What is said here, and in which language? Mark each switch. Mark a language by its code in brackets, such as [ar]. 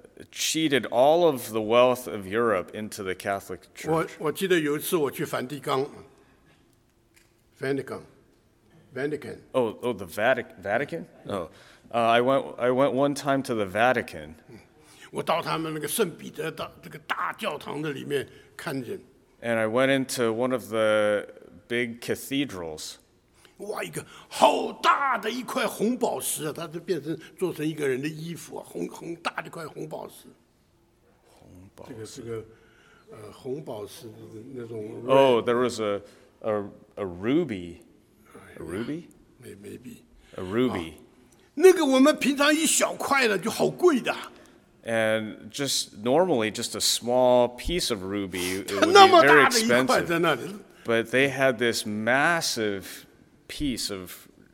[en] cheated all of the wealth of Europe into the Catholic Church. [zh] 我记得有一次我去梵蒂冈 Vatican. [en] Oh, the Vatican? No. I went one time to the Vatican. [zh] 我到他们那个圣彼得的这个大教堂的里面看见。 [en] And I went into one of the big cathedrals. [zh] 哇，一个好大的一块红宝石啊！它就变成做成一个人的衣服啊，很大的一块红宝石。红宝石，这个红宝石那种。 [en] Oh, there was a ruby. A ruby? Maybe. A ruby.、 [zh] 那个我们平常一小块的就好贵的。 [en] And just normally, just a small piece of ruby would be very expensive. But they had this massive piece of